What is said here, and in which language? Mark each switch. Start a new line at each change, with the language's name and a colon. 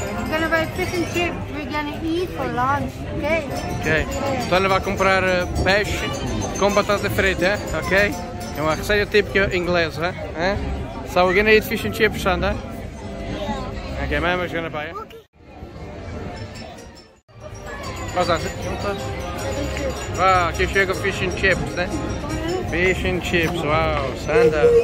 English: We're gonna buy fish and chips. We're gonna eat for lunch, okay? Okay.
Portuguese: Antônio vai comprar peixe com batata frita, eh? Ok? É uma receita típica inglesa, eh?
English: So we're gonna eat fish and chips, Sandra? Yeah. Okay, mama's gonna buy it. Okay. What's that? Wow,
Portuguese: aqui chega
English: fish and chips, né? Fish and chips, wow, Sandra.